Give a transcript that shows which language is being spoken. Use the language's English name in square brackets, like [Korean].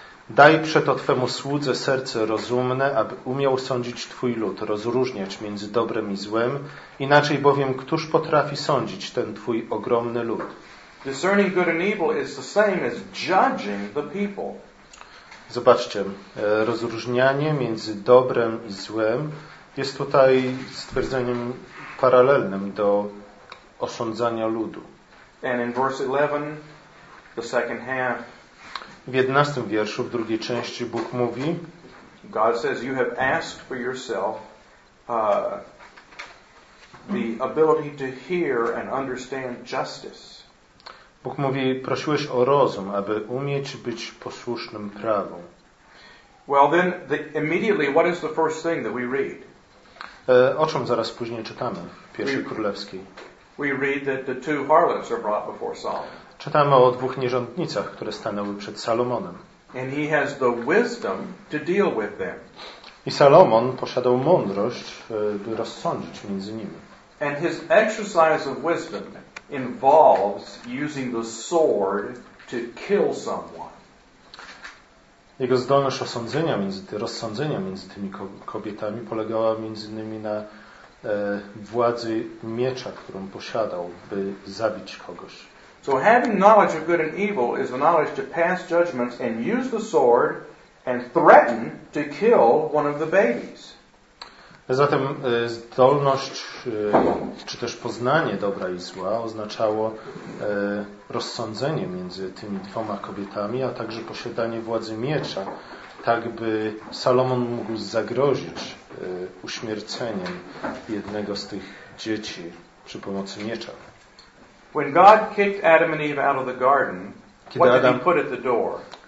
[Polish] Daj przeto Twemu słudze serce rozumne, aby umiał sądzić Twój lud, rozróżniać między dobrem i złem. Inaczej bowiem, któż potrafi sądzić ten Twój ogromny lud? [English] Discerning good and evil is the same as judging the people. [Polish] Zobaczcie, rozróżnianie między dobrem i złem jest tutaj stwierdzeniem paralelnym do osądzania ludu. [English] And in verse 11, the second half, [Polish] w 11 wierszu, w drugiej części, Bóg mówi: [English] God says you have asked for yourself the ability to hear and understand justice. [Polish] Bóg mówi: prosiłeś o rozum, aby umieć być posłusznym prawu. [English] Well then, immediately, what is the first thing that we read? [Polish] O czym zaraz później czytamy w pierwszej królewskiej? [English] We read that the two harlots are brought before Solomon. [Polish] Czytamy o dwóch nierządnicach, które stanęły przed Salomonem. [English] And he has the wisdom to deal with them. [Polish] I Salomon posiadał mądrość, by rozsądzić między nimi. [English] And his exercise of wisdom involves using the sword to kill someone. [Polish] Jego zdolność osądzenia, rozsądzenia między tymi kobietami polegała między innymi na władzy miecza, którą posiadał, by zabić kogoś. [English] So having knowledge of good and evil is the knowledge to pass judgments and use the sword and threaten to kill one of the babies. [Polish] Zatem zdolność, czy też poznanie dobra i zła oznaczało rozsądzenie między tymi dwoma kobietami, a także posiadanie władzy miecza, tak by Salomon mógł zagrozić uśmierceniem jednego z tych dzieci przy pomocy miecza. [English] When God kicked Adam and Eve out of the garden, what did he put at the door?